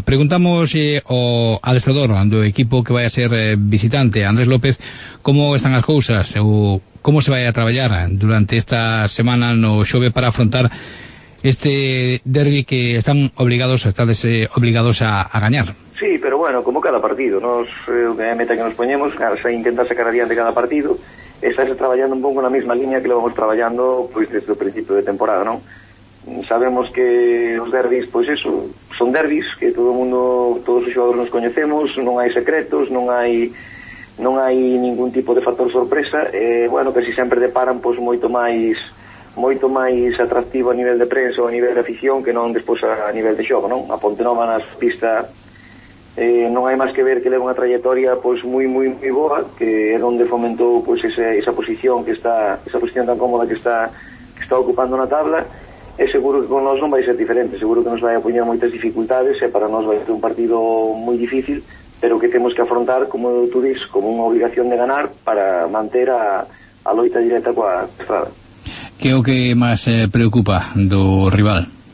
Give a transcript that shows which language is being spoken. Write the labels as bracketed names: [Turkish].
[Spanish] Preguntamos al adestrador do equipo que vaya a ser visitante, Andrés López, cómo están las cosas o cómo se vaya a trabajar durante esta semana no Xove para afrontar este derbi que están obligados a gañar. Sí, pero bueno, como cada partido, no es una meta que nos ponemos, se intenta sacar adelante cada partido, estás trabajando un poco en la misma línea que lo vamos trabajando pues desde el principio de temporada, ¿no? Sabemos que los derbis, pues eso, son derbis, que todos los jugadores nos conocemos, no hay secretos, no hay ningún tipo de factor sorpresa, bueno, que si siempre deparan, pues [Galician] moito máis atractivo a nivel de prensa ou a nivel de afición que non despois a nivel de xogo, non? A Pontenova nas pista non hai máis que ver que leva unha trayectoria pois moi moi moi boa, que é onde fomentou pois esa posición tan cómoda que está ocupando na tabla. É seguro que con nós non vai ser diferente, seguro que nos vai a poñer moitas dificultades, e para nós vai ser un partido moi difícil, pero que temos que afrontar, como tú dís, como unha obligación de ganar para manter a loita directa coa Estrada. ¿Qué o que más preocupa do rival?